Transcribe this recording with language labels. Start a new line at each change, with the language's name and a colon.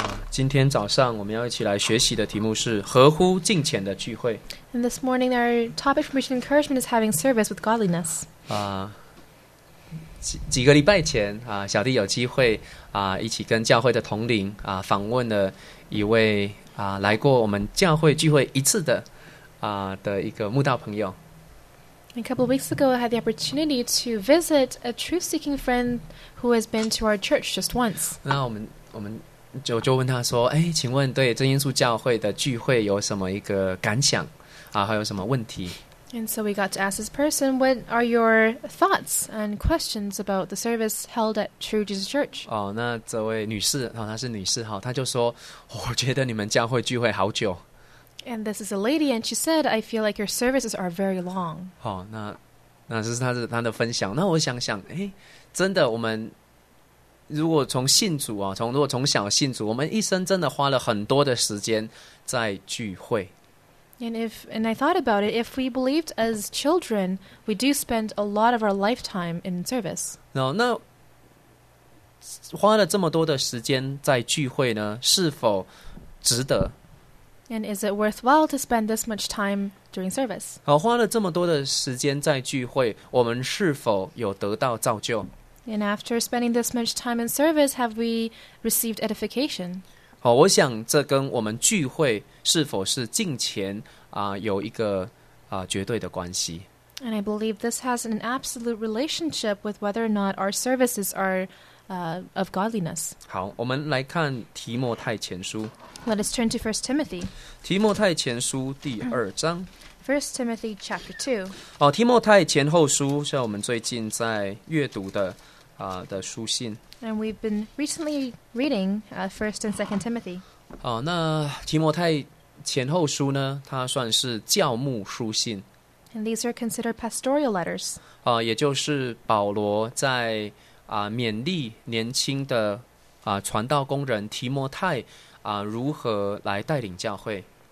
Chinese: 今天早上我们要一起来学习的题目是合乎敬虔的聚会。
English: And this morning our topic for mission encouragement is having service with godliness.
Chinese: 几个礼拜前、小弟有机会、一起跟教会的同龄、访问了一位、来过我们教会聚会一次 的一个慕道朋友。
English: A couple of weeks ago, I had the opportunity to visit a truth-seeking friend who has been to our church just once.
Chinese: 那我们就问他说，哎，请问对真耶稣教会的聚会有什么一个感想啊？还有什么问题？
English: And so we got to ask this person, what are your thoughts and questions about the service held at True Jesus Church?
Chinese: 哦，那这位女士，哦，她是女士哈，她就说，我觉得你们教会聚会好久。
English: And this is a lady, and she said, I feel like your services are very long.
Chinese: 哦，那这是她的分享。那我想想，哎，真的，我们如果从信主啊，如果从小信主，我们一生真的花了很多的时间在聚会。
English: And I thought about it, if we believed as children, we do spend a lot of our lifetime in service.
Chinese: 那花了这么多的时间在聚会呢，是否值得？
English: And is it worthwhile to spend this much time during service?
Chinese: 好，花了这么多的时间在聚会，我们是否有得到造就？
English: And after spending this much time in service, have we received edification?
Chinese: 好，我想这跟我们聚会是否是敬虔啊，有一个啊绝对的关系。
English: And I believe this has an absolute relationship with whether or not our services are of godliness.
Chinese: 好，我们来看提摩太前书。
English: Let us turn to 1 Timothy.
Chinese: 提摩太前书第二章。
English: First Timothy chapter 2.
Chinese: 好，提摩太前后书是我们最近在阅读的的书信。
English: And we've been recently reading First and Second Timothy.
Chinese: 好，那提摩太前后书呢，它算是教牧书信。
English: And these are considered pastoral letters.
Chinese: 也就是保罗在勉励年轻的传道工人提摩太如何来带领教会。